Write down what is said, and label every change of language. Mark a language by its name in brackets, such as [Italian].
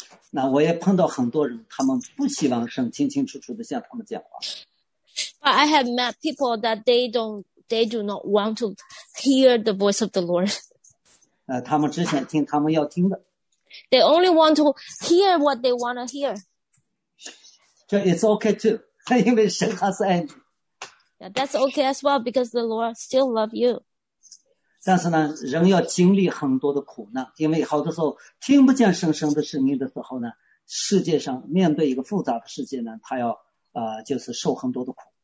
[Chinese] 那我也碰到很多人，他们不希望神清清楚楚地向他们讲话。 [English] But I have met people that they do not want to hear the voice of the Lord. [Chinese] 他们只想听他们要听的。 [English] They only want to hear what they want to hear. So it's okay too, [Chinese] 因为神还是爱你。 [English] Yeah, that's okay as well because the Lord still loves you. [Chinese] 但是呢，人要经历很多的苦难，因为好多时候听不见神圣的声音的时候呢，世界上面对一个复杂的世界呢，他要就是受很多的苦。